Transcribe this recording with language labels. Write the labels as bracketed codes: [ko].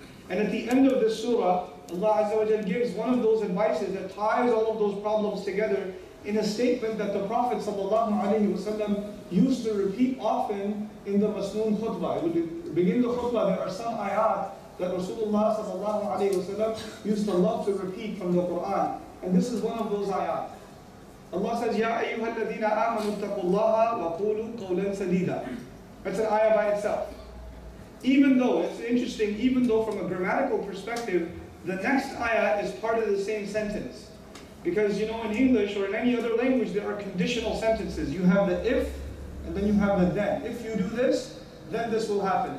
[en] And at the end of this surah, Allah Azza wa Jalla gives one of those advices that ties all of those problems together in a statement that the Prophet ﷺ used to repeat often in the Masnoon khutbah. When you begin the khutbah, there are some ayat that Rasulullah ﷺ used to love to repeat from the Quran. And this is one of those ayat. Allah says, [ar] يَا أَيُّهَا الَّذِينَ آمَنُوا اتَّقُوا اللَّهَ وَقُولُوا قَوْلًا سَدِيدًا [en] That's an ayah by itself. Even though, it's interesting, even though from a grammatical perspective, the next ayah is part of the same sentence. Because, you know, in English or in any other language, there are conditional sentences. You have the if, and then you have the then. If you do this, then this will happen.